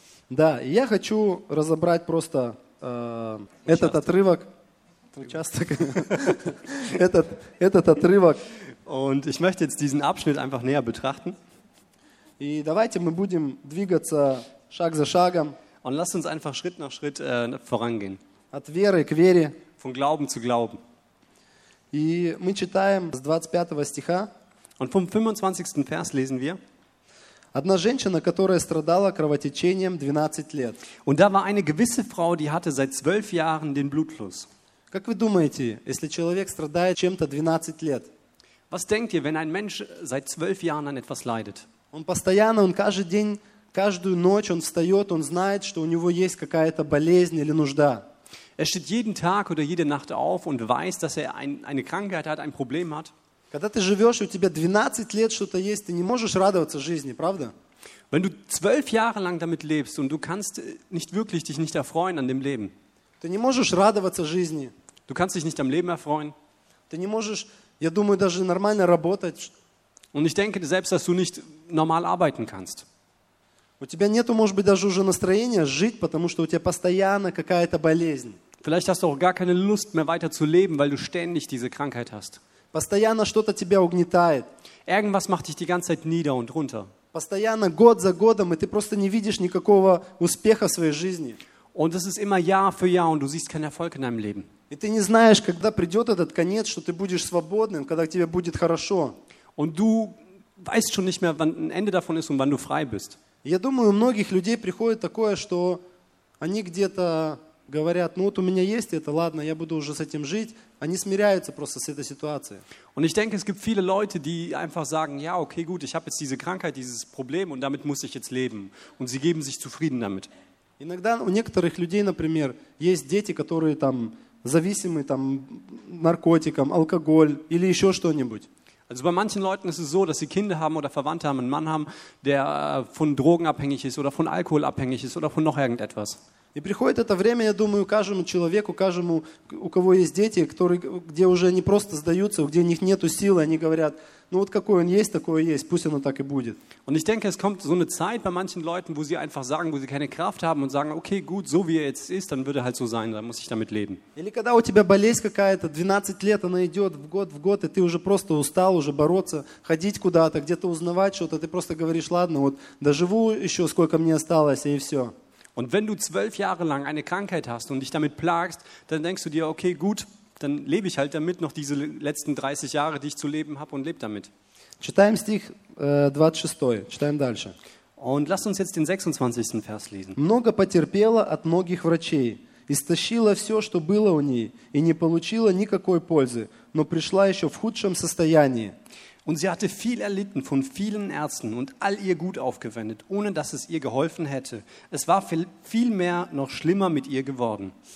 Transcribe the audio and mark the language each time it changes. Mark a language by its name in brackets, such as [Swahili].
[Russian] Да, я хочу разобрать просто этот отрывок. Участок. этот отрывок. [German] Und ich möchte jetzt diesen Abschnitt einfach näher betrachten. [Russian] И давайте мы будем двигаться шаг за шагом. [German] Und lasst uns einfach Schritt nach Schritt vorangehen. [Russian] От веры к вере. [German] Von Glauben zu Glauben. [Russian] И мы читаем с 25 стиха. [German] Und vom 25. Vers lesen wir. [Russian] Одна женщина, которая страдала кровотечением 12 лет. [German] Und da war eine gewisse Frau, die hatte seit 12 Jahren den Blutfluss. [Russian] Как вы думаете, если человек страдает чем-то 12 лет? [German] Was denkt ihr, wenn ein Mensch seit 12 Jahren an etwas leidet? [Russian] Он постоянно, он каждый день, каждую ночь он встает, он знает, что у него есть какая-то болезнь или нужда. [German] Er steht jeden Tag oder jede Nacht auf und weiß, dass er eine Krankheit hat, ein Problem hat. [Russian] Когда ты живешь, у тебя 12 лет что-то есть, ты не можешь радоваться жизни, правда? [German] Wenn du 12 Jahre lang damit lebst und du kannst nicht wirklich dich nicht erfreuen an dem Leben. [Russian] Ты не можешь радоваться жизни. [German] Du kannst dich nicht am Leben erfreuen. [Russian] Ты не можешь... Я думаю, даже нормально работать. [German] Und ich denke selbst, dass du nicht normal arbeiten kannst. [Russian] У тебя нету, может быть, даже уже настроения жить, потому что у тебя постоянно какая-то болезнь. [German] Vielleicht hast du auch gar keine Lust mehr weiter zu leben, weil du ständig diese Krankheit hast. [Russian] Постоянно что-то тебя угнетает. [German] Irgendwas macht dich die ganze Zeit nieder und runter. [Russian] Постоянно год за годом, и ты просто не видишь никакого успеха в своей жизни. [German] Und es ist immer Jahr für Jahr und du siehst keinen Erfolg in deinem Leben. [Russian] И ты не знаешь, когда придет этот конец, что ты будешь свободным, когда тебе будет хорошо. [German] Und du weißt schon nicht mehr, wann ein Ende davon ist und wann du frei bist. [Russian] Я думаю, у многих людей приходит такое, что они где-то говорят: ну вот у меня есть это, ладно, я буду уже с этим жить. Они смиряются просто с этой ситуацией. [German] Und ich denke, es gibt viele Leute, die einfach sagen: ja, okay, gut, ich habe jetzt diese Krankheit, dieses Problem und damit muss ich jetzt leben. Und sie geben sich zufrieden damit. [Russian] Иногда у некоторых людей, например, есть дети, которые там зависимы там наркотикам, алкоголь или еще что-нибудь. [German] Also bei manchen Leuten ist es so, dass sie Kinder haben oder Verwandte haben, einen Mann haben, der von Drogen abhängig ist oder von Alkohol abhängig ist oder von noch irgendetwas. [Russian] И приходит это время, я думаю, каждому человеку, каждому, у кого есть дети, которые, где уже они просто сдаются, где у них нету силы, они говорят: ну вот какой он есть, такой и есть, пусть оно так и будет. [German] Und ich denke, es kommt so eine Zeit bei manchen Leuten, wo sie einfach sagen, wo sie keine Kraft haben und sagen: okay, gut, so wie er jetzt ist, dann würde halt so sein, dann muss ich damit leben. [Russian] Или когда у тебя болезнь какая-то, 12 лет она идет в год, и ты уже просто устал уже бороться, ходить куда-то, где-то узнавать что-то, ты просто говоришь: ладно, вот доживу еще, сколько мне осталось, и все. [German] Und wenn du 12 Jahre lang eine Krankheit hast und dich damit plagst, dann denkst du dir: okay, gut, dann lebe ich halt damit noch diese letzten 30 Jahre, die ich zu leben habe, und lebe damit. [Russian] Читаем стих 26. Читаем дальше. [German] Und lass uns jetzt den 26. Vers lesen. [Russian] Много потерпела от многих врачей, истощила все, что было у ней, и не получила никакой пользы, но пришла еще в худшем состоянии. [German] Und sie hatte viel erlitten von vielen Ärzten und all ihr Gut aufgewendet, ohne dass es ihr geholfen hätte. Es war viel mehr noch schlimmer mit ihr geworden.